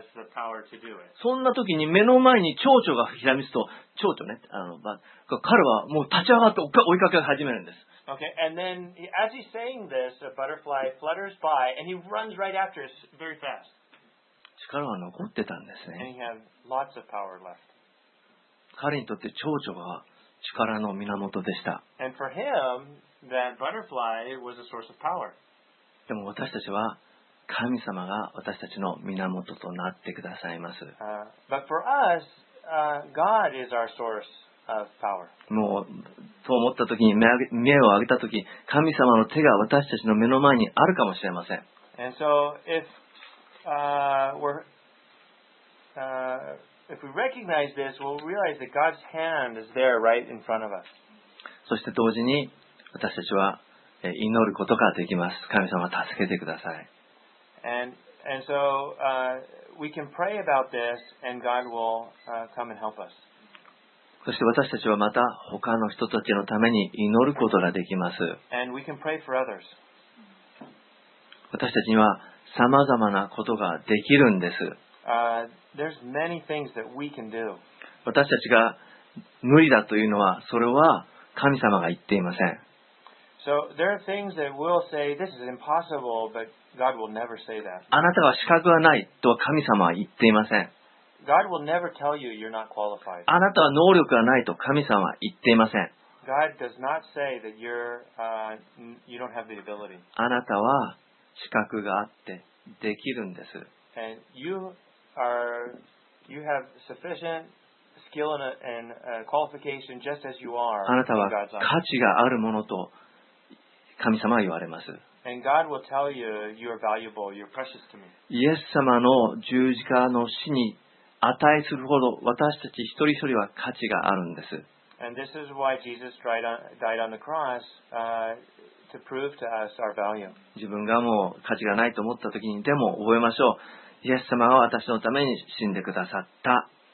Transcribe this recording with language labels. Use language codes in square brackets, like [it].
[ja] そんな時に目の前に蝶々がひらめくと、蝶々ね、彼はもう立ち上がって追いかけ始めるんです。 [en] Okay, and then as he's saying this, a butterfly flutters by and he runs right after us very fast. [ja] 力は残ってたんですね。 [en] And he had lots of power left. [ja] 彼にとって蝶々が力の源でした。 [en] And for him,That butterfly was a source of power. [ja] でも私たちは神様が私たちの源となってくださいます。 [en] But for us, God is our source of power. [ja] もうと思った時に目を上げた時、神様の手が私たちの目の前にあるかもしれません。 [en] And so if we recognize this, we'll realize that God's hand is there right in front of us. [ja] そして同時に私たちは祈ることができます。神様、助けてください。そして私たちはまた他の人たちのために祈ることができます。 [en] And we can pray for others. [ja] 私たちには様々なことができるんです。 [en] There's many things that we can do. [ja] 私たちが無理だというのは、それは神様が言っていません。 [en] So there are things that we'll say, this is impossible, but God will never say that. [ja] あなたは資格はないとは神様は言っていません。 [en] God will never tell you you're not qualified. [ja] あなたは能力がないと神様は言っていません。 [en] God does not say that you don't have the ability. [ja] あなたは資格があってできるんです。 [en] And you have sufficient skill and qualification just as you are. [ja] あなたは価値があるものと神様は言われます。 [en] And God will tell you, you're valuable, you're precious to me. [ja] イエス様の十字架の死に値するほど私たち一人一人は価値があるんです。 [en] And this is why Jesus died on the cross, to prove to us our value. [ja] 自分がもう価値がないと思った時にでも覚えましょう。イエス様は私のために死んでくださった。